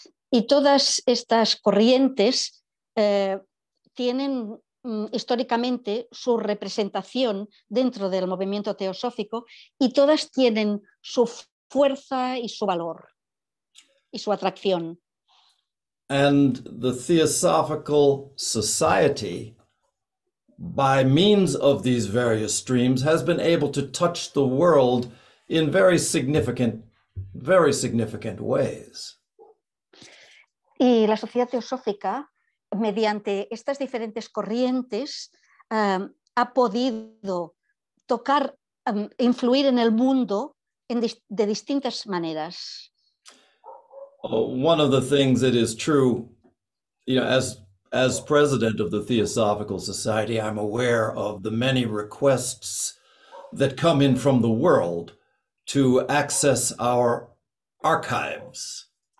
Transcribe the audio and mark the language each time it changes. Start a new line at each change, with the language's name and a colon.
Spanish: Y todas estas corrientes tienen históricamente su representación dentro del movimiento teosófico, y todas tienen su fuerza y su valor y su atracción.
English: And the Theosophical Society, by means of these various streams, has been able to touch the world in very significant ways.
Spanish: Y la sociedad teosófica, mediante estas diferentes corrientes, ha podido tocar, influir en el mundo de distintas maneras.
English: One of the things that is true, as president of the Theosophical Society, I'm aware of the many requests that come in from the world to access our archives.